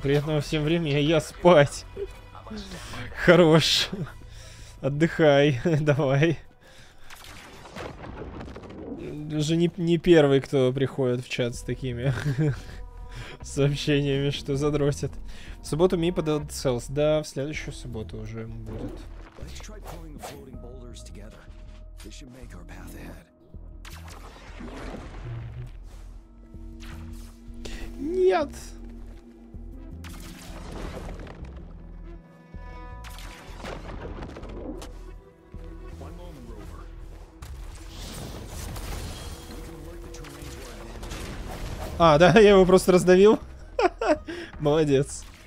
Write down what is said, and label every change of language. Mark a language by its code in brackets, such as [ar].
[ru] Приятного всем времени, а я спать. Хорош. Отдыхай. Давай. Уже не первый, кто приходит в чат с такими сообщениями, что задротят. В субботу Мипа Dead Cells. Да, в следующую субботу уже будет. [en] Let's try pulling the floating boulders together. This should make our path ahead. [ru] Нет. [en] One moment, Rover. We can alert the terrain to our advantage. [ru] А, да, я его просто раздавил. Молодец.